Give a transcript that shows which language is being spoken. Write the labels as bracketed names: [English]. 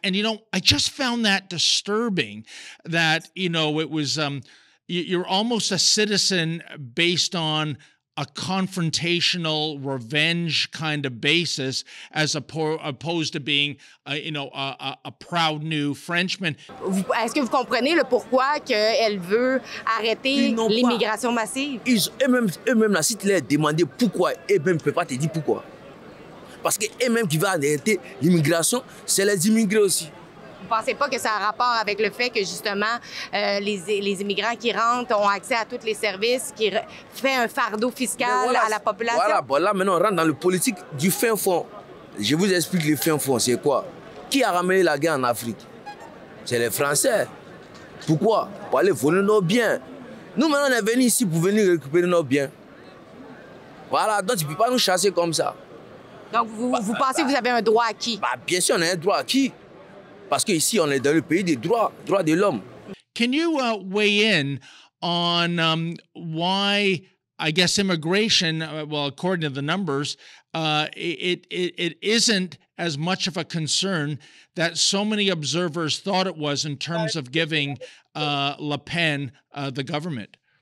[English] And, I just found that disturbing that, it was, you're almost a citizen based on a confrontational revenge kind of basis as opposed to being, a proud new Frenchman. [French] Est-ce que vous comprenez le pourquoi qu'elle veut arrêter l'immigration massive? Eux-mêmes, si tu leur demandais pourquoi, eux-mêmes ne peuvent pas te dire pourquoi. Parce que eux-mêmes qui veulent arrêter l'immigration, c'est les immigrés aussi. Vous ne pensez pas que ça a rapport avec le fait que, justement, les immigrants qui rentrent ont accès à tous les services, qui fait un fardeau fiscal à la population? Voilà, maintenant, on rentre dans le politique du fin fond. Je vous explique le fin fond, c'est quoi? Qui a ramené la guerre en Afrique? C'est les Français. Pourquoi? Pour aller voler nos biens. Nous, maintenant, on est venus ici pour venir récupérer nos biens. Voilà, donc tu ne peux pas nous chasser comme ça. Donc, vous pensez que vous avez un droit acquis? Bien sûr, on a un droit acquis. Parce qu'ici, on est dans le pays des droits de l'homme. [English] Can you weigh in on why, I guess, immigration, according to the numbers, it isn't as much of a concern that so many observers thought it was in terms of giving Le Pen the government?